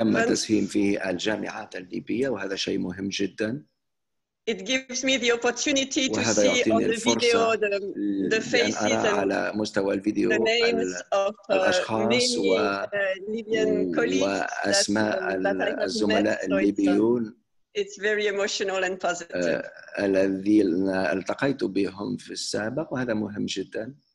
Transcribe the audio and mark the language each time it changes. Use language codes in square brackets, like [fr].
[ar] تم تسهيم فيه الجامعات الليبية وهذا شيء مهم جدا. [en] It gives me the opportunity to see on the video the faces and the names of many Libyan colleagues it's very emotional and positive. [ar] الذين التقيت بهم في السابق وهذا مهم جدا.